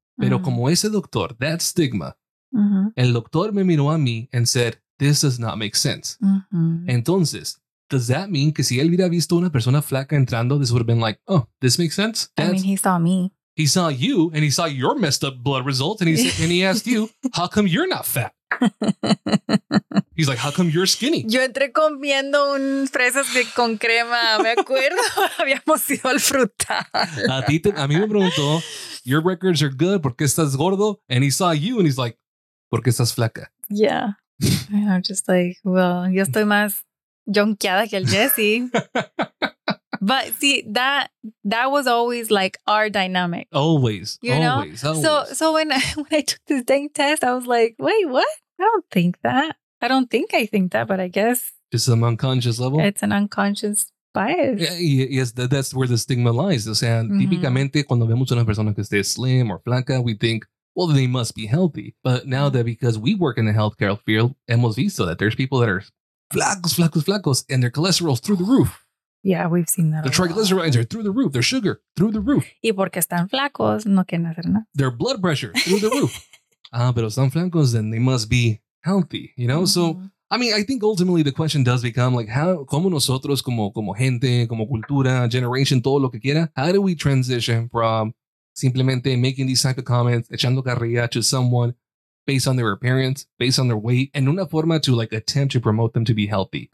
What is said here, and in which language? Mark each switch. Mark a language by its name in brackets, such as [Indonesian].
[Spanish] Pero como ese doctor, [English] that stigma, [Spanish] el doctor me miró a mí [English] and said, this does not make sense. Mm-hmm. Entonces... Does that mean [Spanish] que si él hubiera visto una persona flaca entrando, [English] this would have been like, oh, this makes sense? That's, I mean, he saw me. He saw you and he saw your messed up blood result and he asked you, how come you're not fat? He's like, how come you're skinny? [Spanish] Yo entré comiendo un fresas con crema, me acuerdo. Habíamos ido al frutal. A mí me preguntó, [English] your records are good, [Spanish] ¿por qué estás gordo? [English] And he saw you and he's like, [Spanish] ¿por qué estás flaca? [English] Yeah. I'm just like, well, [Spanish] yo estoy más... Jonqueada que el Jesse. [English] But see, that was always like our dynamic. Always. You always, know? Always. So when I took this dang test, I was like, wait, what? I don't think that, but I guess. This is an unconscious level? It's an unconscious bias. Yeah, yes, that's where the stigma lies. O sea, mm-hmm. [Spanish] típicamente cuando vemos a una persona que esté [English] slim or flaca, we think, well, they must be healthy. But now that because we work in the healthcare field, [Spanish] hemos visto [English] that there's people that are flacos, and their cholesterol's through the roof. Yeah, we've seen that. Their triglycerides are through the roof. Their sugar, through the roof. [Spanish] Y porque están flacos, no quieren hacer nada. [English] Their blood pressure, through the roof. [Spanish] pero están flacos, [English] then they must be healthy, you know? Mm-hmm. So, I mean, I think ultimately the question does become like, [Spanish] ¿cómo nosotros, como gente, como cultura, [English] generation, [Spanish] todo lo que quiera, [English] how do we transition from simplemente making these type of comments, [Spanish] echando carrilla [English] to someone based on their appearance, based on their weight, and [Spanish] una forma [English] to like attempt to promote them to be healthy?